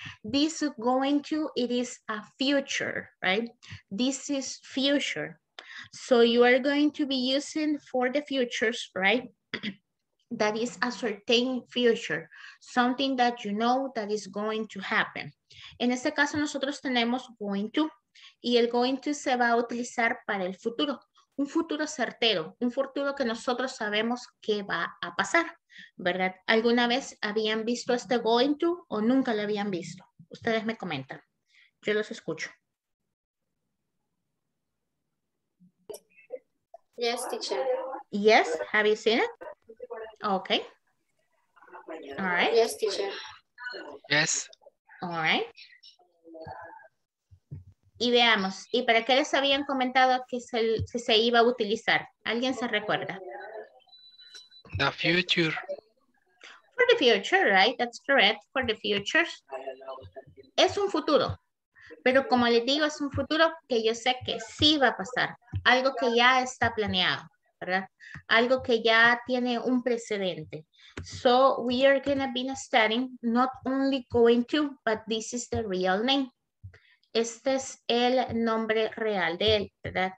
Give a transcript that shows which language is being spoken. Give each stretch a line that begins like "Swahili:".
English: This going to, it is a future, right? This is future. So you are going to be using for the futures, right? That is a certain future, something that you know that is going to happen.
Spanish: En este caso, nosotros tenemos going to, y el going to se va a utilizar para el futuro. Un futuro certero, un futuro que nosotros sabemos que va a pasar, ¿verdad? ¿Alguna vez habían visto este going to o nunca lo habían visto? Ustedes me comentan. Yo los escucho.
English: Yes, teacher. Yes, have you seen it? Okay. All right. Yes, teacher. Yes. All right.
Spanish: Y veamos, ¿y para qué les habían comentado que se iba a utilizar? ¿Alguien se recuerda?
English: The future. For the future, right? That's correct. For the future.
Spanish: Es un futuro. Pero como les digo, es un futuro que yo sé que sí va a pasar. Algo que ya está planeado, ¿verdad? Algo que ya tiene un precedente.
English: So we are going to be studying not only going to, but this is the real name.
Spanish: Este es el nombre real de él, ¿verdad?